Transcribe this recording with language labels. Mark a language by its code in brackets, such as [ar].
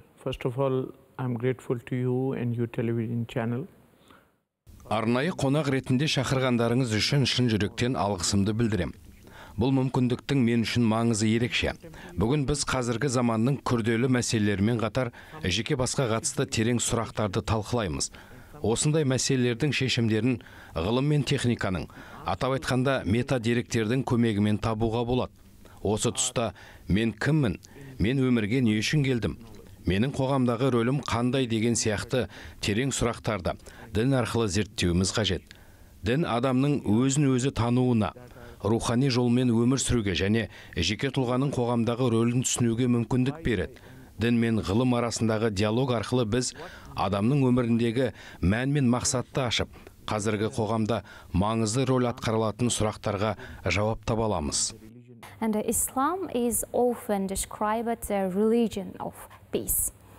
[en] First of all, I'm grateful to you and your television channel. [kk] Арнайы қонақ ретінде шақырғандарыңыз үшін шын жүректен алғысымды білдірем. Бұл мүмкіндіктің мен үшін маңызы ерекше. Бүгін біз қазіргі заманның күрделі мәселелерімен қатар жеке басқа қатысты терең сұрақтарды талқылаймыз. Осындай мәселелердің шешімдерін ғылым мен техниканың, атап айтқанда метадеректердің көмегімен табуға болады. Осы тұста мен кіммін? Мен өмірге не үшін келдім? Менің қоғамдағы рөлім қандай деген сияқты терең сұрақтарды дін арқылы зерттеуіміз қажет. Дін адамның өзін өзі тануына, рухани жолмен өмір сүруге және жеке тұлғаның қоғамдағы рөлін түсінуге мүмкіндік береді. Дін мен ғылым арасындағы диалог арқылы біз адамның өміріндегі мән мен мақсатты ашып, қазіргі қоғамда маңызды рөл атқарылатын сұрақтарға жауап таба аламыз. [en] And Islam is often described as a religion of peace.